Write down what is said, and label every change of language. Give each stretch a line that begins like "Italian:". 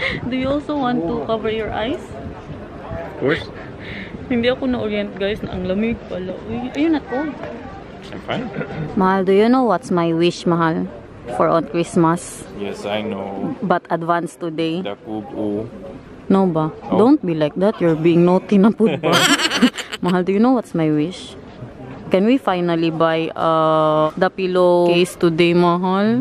English: Do you also want to cover your eyes? Of course.
Filipino: Hindi ako na-orient, guys, na ang lamig pala. Ayun na to.
English: I'm fine. Mahal, do you know what's my wish, mahal? For on Christmas? Yes, I know. But advance today. The poo-poo. No ba? Oh. Don't be like that. You're being naughty na po. Mahal, do you know what's my wish? Can we finally buy the pillowcase today, mahal?